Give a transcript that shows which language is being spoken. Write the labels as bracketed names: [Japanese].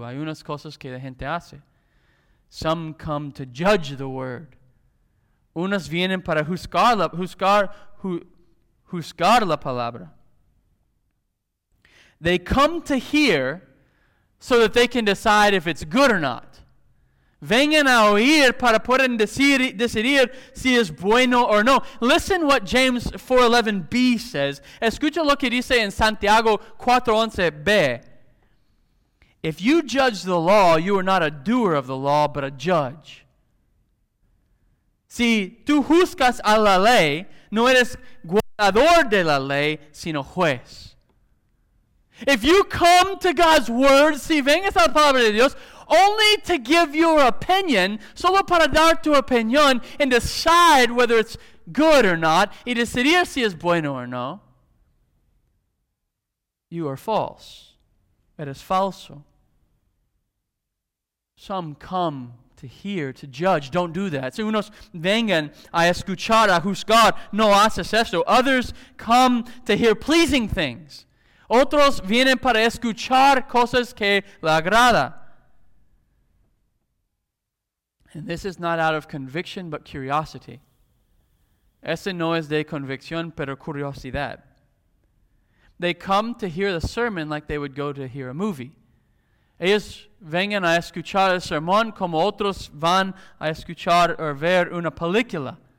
[Spanish] Hay unas cosas que la gente hace. [English] Some come to judge the word. [Spanish] Unas vienen para juzgar la palabra. [English] They come to hear so that they can decide if it's good or not. [Spanish] Vengan a oír para poder decidir si es bueno o no. [English] Listen what James 4:11b says. [Spanish] Escucha lo que dice en Santiago 4:11b. [English] If you judge the law, you are not a doer of the law, but a judge. [Spanish] Si tú juzgas a la ley, no eres guardador de la ley, sino juez. [English] If you come to God's word, [Spanish] si vengas a la palabra de Dios, [English] only to give your opinion, [Spanish] solo para dar tu opinión, [English] and decide whether it's good or not, [Spanish] y decidir si es bueno or no, [English] you are false. [Spanish] Eres falso. [English] Some come to hear, to judge. Don't do that. [Spanish] Si unos vengan a escuchar, a juzgar, no haces esto. [English] Others come to hear pleasing things. [Spanish] Otros vienen para escuchar cosas que le agrada. [English] And this is not out of conviction, but curiosity. [Spanish] Ese no es de convicción, pero curiosidad. [English] They come to hear the sermon like they would go to hear a movie. [Spanish] Ellos vengan a escuchar el sermón como otros van a escuchar o ver una película.